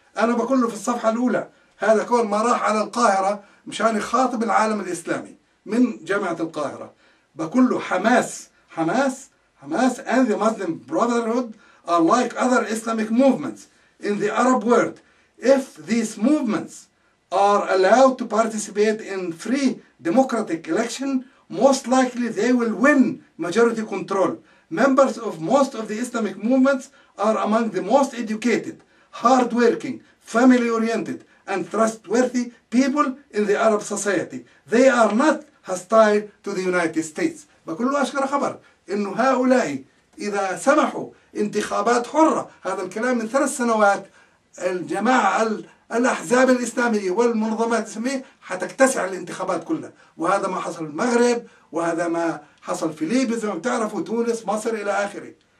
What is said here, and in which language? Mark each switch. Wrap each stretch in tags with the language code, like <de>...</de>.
<ar>أنا بقول له في الصفحة الأولى، هذا كون ما راح على القاهرة مشان يخاطب العالم الإسلامي من جامعة القاهرة، بقول له حماس</ar> <en>and the Muslim Brotherhood are like other Islamic movements in the Arab world. If these movements are allowed to participate in free democratic election, most likely they will win majority control. Members of most of the Islamic movements are among the most educated, hardworking, family-oriented, and trustworthy people in the Arab society. They are not hostile to the United States.</en> <ar>بكل أشكر خبر إنه هؤلاء إذا سمحوا انتخابات حرة، هذا الكلام من 3 سنوات، الجماعة الأحزاب الإسلامية والمنظمات الإسلامية حتكتسع الانتخابات كلها. وهذا ما حصل في المغرب، وهذا ما حصل في ليبيا زي ما بتعرفوا، تونس، مصر إلى آخره.</ar>